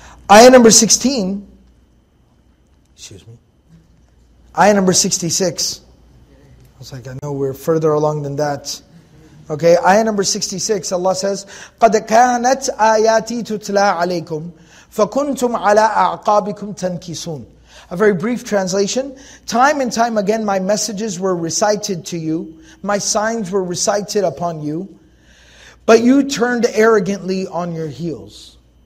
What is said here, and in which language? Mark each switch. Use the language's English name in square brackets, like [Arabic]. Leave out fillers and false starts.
[English] Ayah number 16, excuse me, ayah number 66, I was like, I know we're further along than that. Okay, ayah number 66, Allah says, [Arabic] قَدْ كَانَتْ آيَاتِي تُتْلَىٰ عَلَيْكُمْ فَكُنْتُمْ عَلَىٰ أَعْقَابِكُمْ تَنْكِسُونَ. [English] A very brief translation. Time and time again, my messages were recited to you, my signs were recited upon you, but you turned arrogantly on your heels.